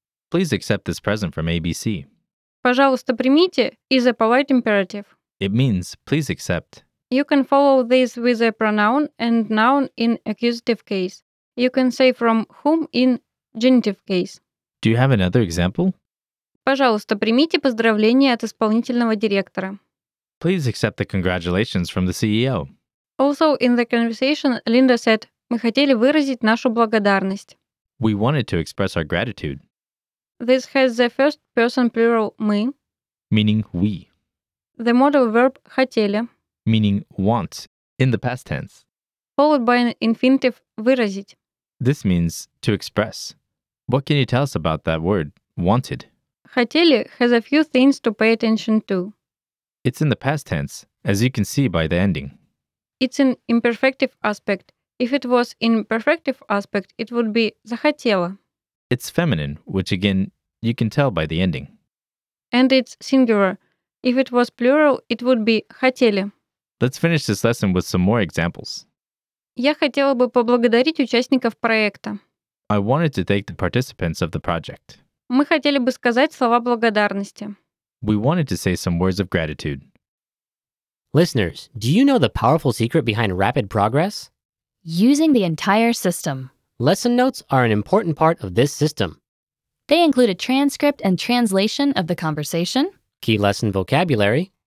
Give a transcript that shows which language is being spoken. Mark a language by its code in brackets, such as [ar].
[en] Please accept this present from ABC. [ru] «Пожалуйста, примите» [en] is a polite imperative. It means, please accept. You can follow this with a pronoun and noun in accusative case. You can say from whom in genitive case. Do you have another example? [ru] Пожалуйста, примите поздравления от исполнительного директора. [en] Please accept the congratulations from the CEO. Also in the conversation, Linda said, [ru] мы хотели выразить нашу благодарность. [en] We wanted to express our gratitude. This has the first person plural мы. Meaning we. The modal verb хотели. Meaning want in the past tense. Followed by an infinitive выразить. This means to express. What can you tell us about that word, wanted? Хотели has a few things to pay attention to. It's in the past tense, as you can see by the ending. It's in imperfective aspect. If it was in perfective aspect, it would be захотела. It's feminine, which again, you can tell by the ending. And it's singular. If it was plural, it would be хотели. Let's finish this lesson with some more examples. [ru] Я хотела бы поблагодарить участников проекта. [en] I wanted to thank the participants of the project. [ru] Мы хотели бы сказать слова благодарности. [en] We wanted to say some words of gratitude. Listeners, do you know the powerful secret behind rapid progress? Using the entire system. Lesson notes are an important part of this system. They include a transcript and translation of the conversation, key lesson vocabulary,